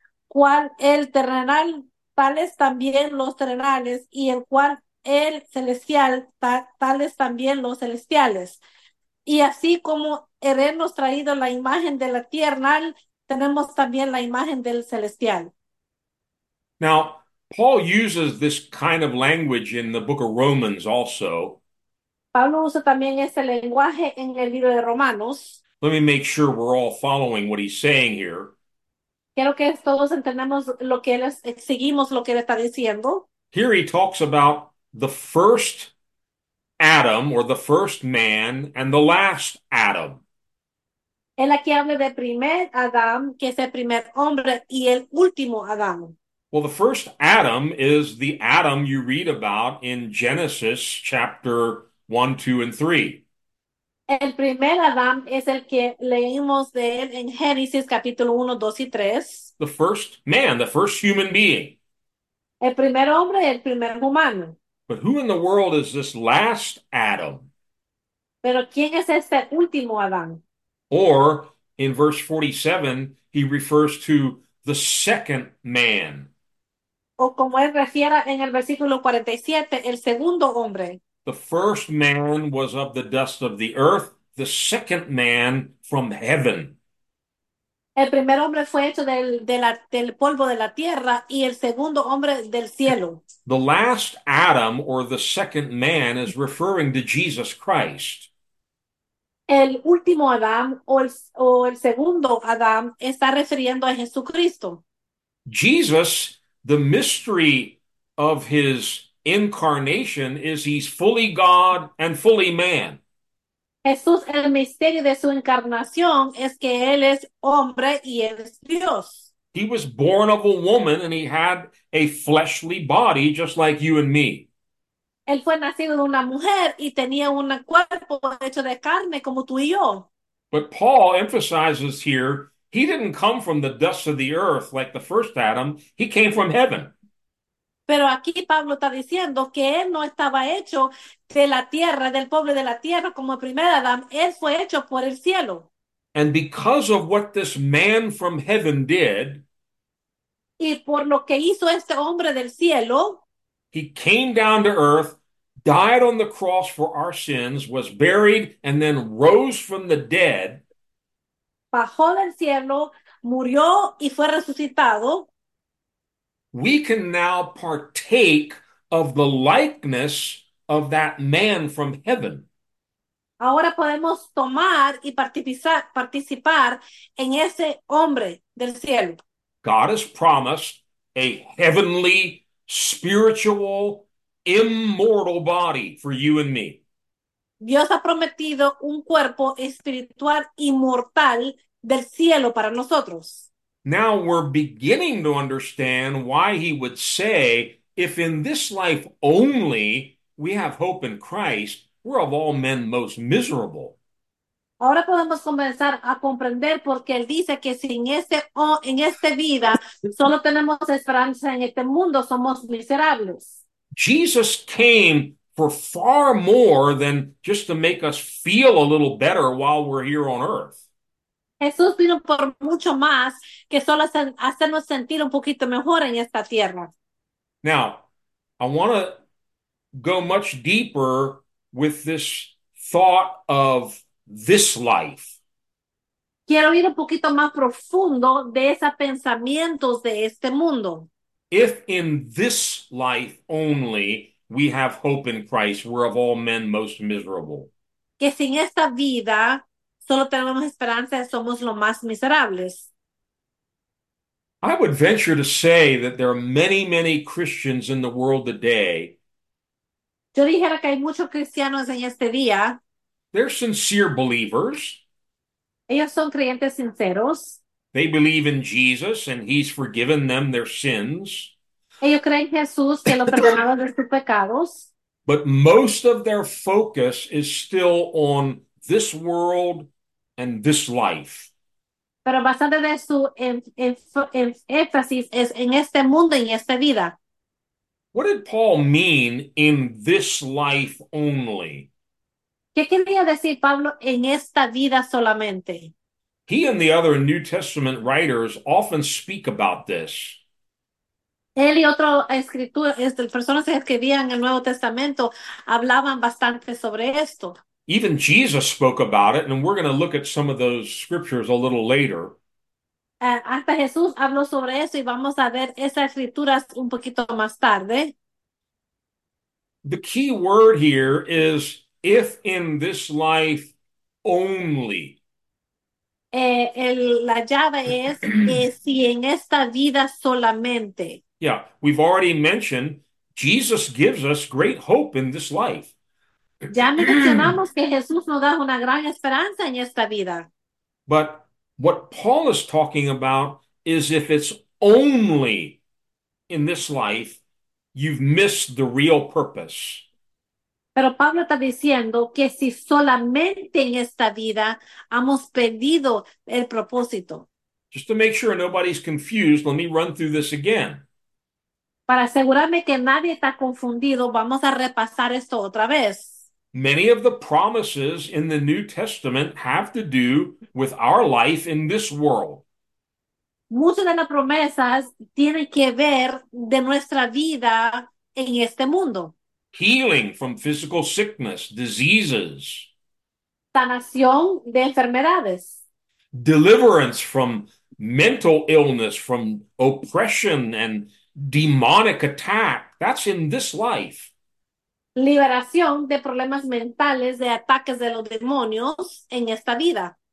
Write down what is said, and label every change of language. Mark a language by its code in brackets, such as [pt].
[es] ¿Cuál el terrenal? Tales también los terrenales, y el cual el celestial, tales también los celestiales. Y así como hemos traído la imagen de la tierna, tenemos también la imagen del celestial. [en] Now, Paul uses this kind of language in the book of Romans also. [es] Pablo usa también ese lenguaje en el libro de Romanos. [en] Let me make sure we're all following what he's saying here. [es] Quiero que todos entendamos lo que él es, seguimos lo que él está diciendo. [en] Here he talks about the first Adam or the first man and the last Adam. [es] Él aquí habla de primer Adán, que es el primer hombre, y el último Adán. [en] Well, the first Adam is the Adam you read about in Genesis chapter 1, 2, and 3. [es] El primer Adán es el que leímos de él en Génesis capítulo 1, 2 y 3. [en] The first man, the first human being. [es] El primer hombre, el primer humano. [en] But who in the world is this last Adam? [es] Pero ¿quién es este último Adán? [en] Or in verse 47, he refers to the second man. [es] O como él refiera en el versículo 47, el segundo hombre. [en] The first man was of the dust of the earth, the second man from heaven. [es] El primer hombre fue hecho del polvo de la tierra, y el segundo hombre del cielo. [en] The last Adam or the second man is referring to Jesus Christ. [es] El último Adán o el segundo Adán está refiriendo a Jesucristo. [en] Jesus, the mystery of his incarnation is he's fully God and fully man. [es] Jesús, el misterio de su encarnación es que él es hombre y él es Dios. [en] He was born of a woman and he had a fleshly body just like you and me. [es] Él fue nacido de una mujer y tenía un cuerpo hecho de carne como tú y yo. [en] But Paul emphasizes here, he didn't come from the dust of the earth like the first Adam, he came from heaven. [es] Pero aquí Pablo está diciendo que él no estaba hecho de la tierra, del pueblo de la tierra, como el primer Adán. Él fue hecho por el cielo. [en] And because of what this man from heaven did, [es] Y por lo que hizo este hombre del cielo, [en] he came down to earth, died on the cross for our sins, was buried, and then rose from the dead. [es] bajó del cielo, murió y fue resucitado. [en] We can now partake of the likeness of that man from heaven. [es] Ahora podemos tomar y participar en ese hombre del cielo. [en] God has promised a heavenly, spiritual, immortal body for you and me. [es] Dios ha prometido un cuerpo espiritual inmortal del cielo para nosotros. [en] Now we're beginning to understand why he would say, if in this life only we have hope in Christ, we're of all men most miserable. [es] Ahora podemos comenzar a comprender porque él dice que sin este o en esta vida solo tenemos esperanza en este mundo, somos miserables. [en] Jesus came for far more than just to make us feel a little better while we're here on earth. [es] Jesús vino por mucho más que solo hacernos sentir un poquito mejor en esta tierra. [en] Now, I want to go much deeper with this thought of this life. [es] Quiero ir un poquito más profundo de esos pensamientos de este mundo. [en] If in this life only we have hope in Christ, we're of all men most miserable. [es] Que sin esta vida solo tenemos esperanza, somos los más miserables. [en] I would venture to say that there are many, many Christians in the world today. [es] Yo dijera que hay muchos cristianos en este día. [en] They're sincere believers. [es] Ellos son creyentes sinceros. [en] They believe in Jesus and he's forgiven them their sins. [es] Ellos creen en Jesús que lo perdonaron de sus pecados. [en] But most of their focus is still on this world and this life. [es] Pero bastante de su énfasis es en este mundo y en esta vida. [en] What did Paul mean in this life only? [es] ¿Qué quería decir Pablo en esta vida solamente? [en] He and the other New Testament writers often speak about this. [es] Él y otro escritor, personas que escribían el Nuevo Testamento, hablaban bastante sobre esto. [en] Even Jesus spoke about it, and we're going to look at some of those scriptures a little later. [es] Hasta Jesús habló sobre eso y vamos a ver esas escrituras un poquito más tarde. [en] The key word here is if in this life only. [es] La llave es si en esta vida solamente. [en] Yeah, we've already mentioned Jesus gives us great hope in this life. [es] Ya mencionamos que Jesús nos da una gran esperanza en esta vida. [en] But what Paul is talking about is if it's only in this life, you've missed the real purpose. [es] Pero Pablo está diciendo que si solamente en esta vida hemos perdido el propósito. [en] Just to make sure nobody's confused, let me run through this again. [es] Para asegurarme que nadie está confundido, vamos a repasar esto otra vez. [en] Many of the promises in the New Testament have to do with our life in this world. [es] Muchas de las promesas tienen que ver de nuestra vida en este mundo. [en] Healing from physical sickness, diseases. [es] Sanación de enfermedades. [en] Deliverance from mental illness, from oppression and demonic attack. That's in this life. [es] Liberación de problemas mentales, de ataques de los demonios en esta vida.